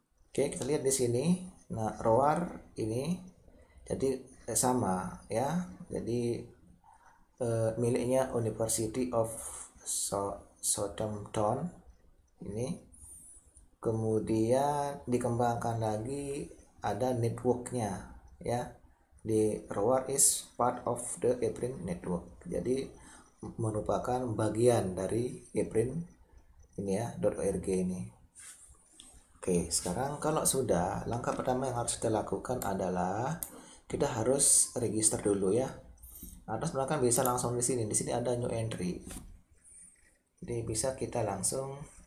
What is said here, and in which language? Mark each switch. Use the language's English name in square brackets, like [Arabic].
[Indonesian] Oke, kita lihat di sini. Nah, ruar ini jadi sama, ya. Jadi miliknya University of Southampton ini. Kemudian dikembangkan lagi ada networknya, ya. [English] The ruar is part of the ePrint network. [Indonesian] Jadi merupakan bagian dari ePrint ini, ya, .org ini. Oke, sekarang kalau sudah, langkah pertama yang harus kita lakukan adalah kita harus register dulu, ya. Atau sebenarnya kan bisa langsung di sini. Di sini ada new entry. Jadi bisa kita langsung.